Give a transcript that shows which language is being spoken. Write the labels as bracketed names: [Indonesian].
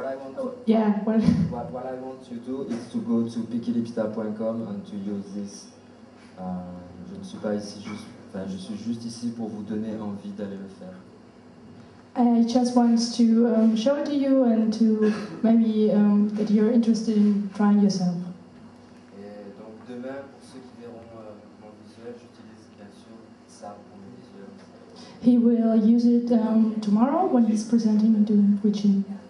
[English] What I want you to do is to go to pikilipita.com and to use this. [French] Je ne suis pas ici juste. Enfin, je suis juste ici pour vous donner envie d'aller le faire. [English] I just want to show it to you and to maybe that you're interested in trying yourself. [French] Et donc demain, pour ceux qui verront mon visuel, j'utilise bien sûr ça pour mon visuel. [English] He will use it tomorrow when he's presenting and doing preaching.